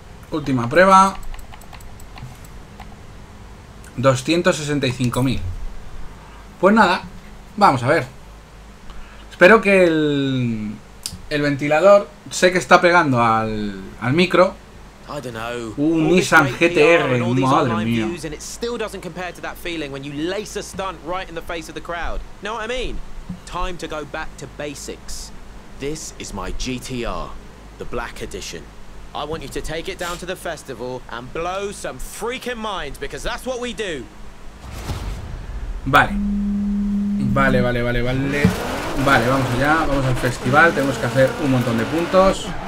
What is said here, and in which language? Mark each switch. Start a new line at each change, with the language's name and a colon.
Spanish: última prueba. 265.000. Pues nada, vamos a ver. Espero que el ventilador, sé que está pegando al micro. Un Nissan GTR, madre mía.
English: And it still doesn't compare to that feeling when you lace a stunt right in the face of the crowd. Know what I mean? Time to go back to basics. This is my GTR, the Black Edition. I want you to take it down to the festival and blow some freaking minds because that's what we do.
Spanish: Vale. Vale. Vale, vamos allá, vamos al festival, tenemos que hacer un montón de puntos.